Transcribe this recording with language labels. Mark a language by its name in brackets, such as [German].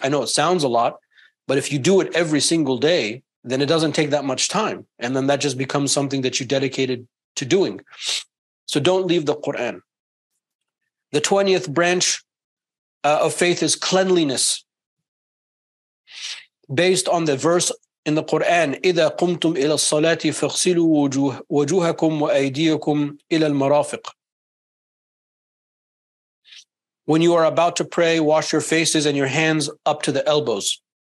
[English] I know it sounds a lot, but if you do it every single day, then it doesn't take that much time. And then that just becomes something that you dedicated to doing. So don't leave the Quran. The 20th branch of faith is cleanliness. Based on the verse in the Quran, [Arabic] إِذَا قُمْتُمْ إِلَى الصَّلَاةِ فَاغْسِلُوا وَجُوهَكُمْ وَأَيْدِيَكُمْ إِلَى الْمَرَافِقِ. [English] When you are about to pray, wash your faces and your hands up to the elbows.